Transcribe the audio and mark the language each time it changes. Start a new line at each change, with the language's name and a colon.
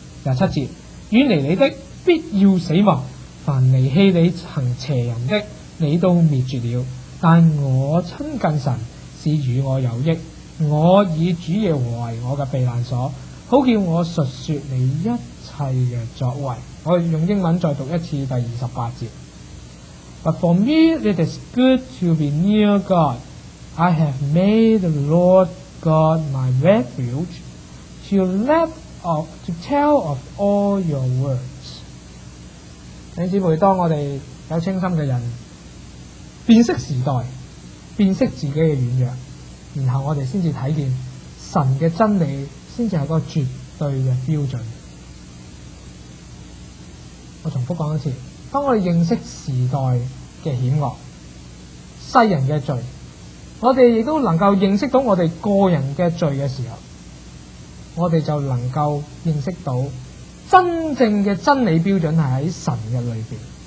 Chinese: 27节，远离你的必要死亡，凡离弃你行邪淫的，你都灭绝了。但我亲近神是与我有益，我以主耶和华为我的避难所，好叫我述说你一切的作为。我用英文再读一次第28节。
English: But for me it is good to be near God. I have made the Lord God my refuge, to tell of all your words.
Chinese: 弟兄姊妹，当我们有清心的人辨识时代，辨识自己的软弱，然后我们才看见神的真理才是一个绝对的标准。我重复讲一次，当我们认识时代的险恶，世人的罪，我们也都能够认识到我们个人的罪的时候，我们就能够认识到真正的真理标准是在神的里面。